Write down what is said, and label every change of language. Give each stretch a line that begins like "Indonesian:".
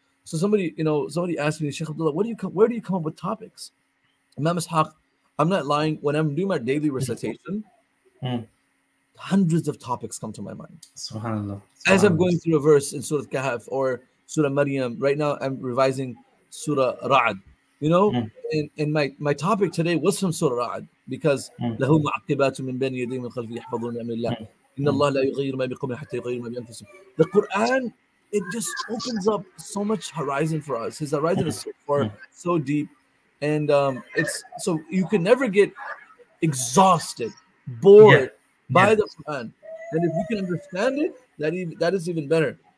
English: So somebody asked me, Sheikh Abdullah, where do you come up with topics? Imam Ishaaq, I'm not lying. When I'm doing my daily recitation, hundreds of topics come to my mind. Subhanallah. As I'm going through a verse in Surah Kahf or Surah Maryam, right now I'm revising Surah Ra'ad. You know, and my topic today was from Surah Ra'ad, because
Arabic: لَهُ مُعَقِّبَاتٌ مِنْ بَيْنِ يَدَيْهِ مِنْ خَلْفِهِ يَحْفَظُونَ مِنْ أَمْرِ اللَّهِ إِنَّ اللَّهَ لَا يُغَيِّرُ مَا بِقَوْمٍ حَتَّى يُغَيِّرُوا مَا بِأَنفُسِهِمْ.
English: The Quran, it just opens up so much horizon for us. His horizon is so far, so deep, and it's so you can never get exhausted, bored. Yeah. By the Quran, and if you can understand it, that is even better.